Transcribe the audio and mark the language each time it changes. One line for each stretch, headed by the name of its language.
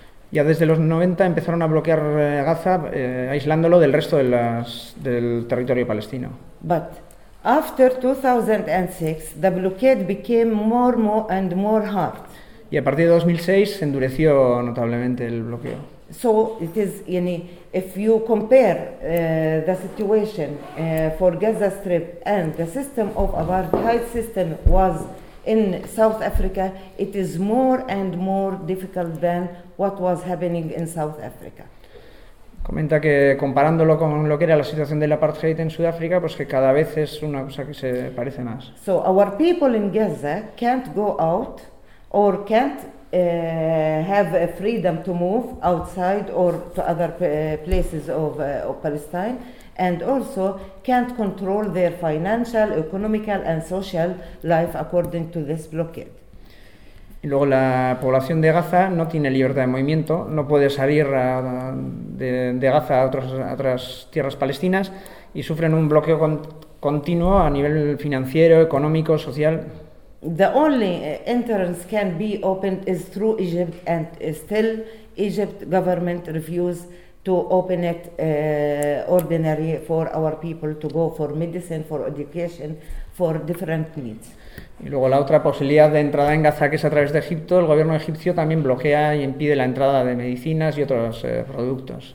Spanish: Ya desde los 90 empezaron a bloquear Gaza, aislándolo del resto de del territorio palestino.
English: But after 2006, the blockade became more and more hard.
Spanish: Y a partir de 2006 se endureció notablemente el bloqueo.
English: So it is, if you compare the situation for Gaza Strip and the system of apartheid system was in South Africa, it is more and more difficult than what was happening in South Africa.
Spanish: Comenta que comparándolo con lo que era la situación del apartheid en Sudáfrica, pues que cada vez es una cosa que se parece más.
English: So our people in Gaza can't go out or can't have a freedom to move outside or to other places of Palestine, and also can't control their financial, economical and social life according to this blockade.
Spanish: Y luego la población de Gaza no tiene libertad de movimiento, no puede salir de Gaza a otras tierras palestinas y sufren un bloqueo continuo a nivel financiero, económico, social.
English: The only entrance can be opened is through Egypt, and still Egypt government refuses to open it ordinary for our people to go for medicine, for education, for different needs.
Spanish: Y luego la otra posibilidad de entrada en Gaza, que es a través de Egipto, el gobierno egipcio también bloquea y impide la entrada de medicinas y otros productos.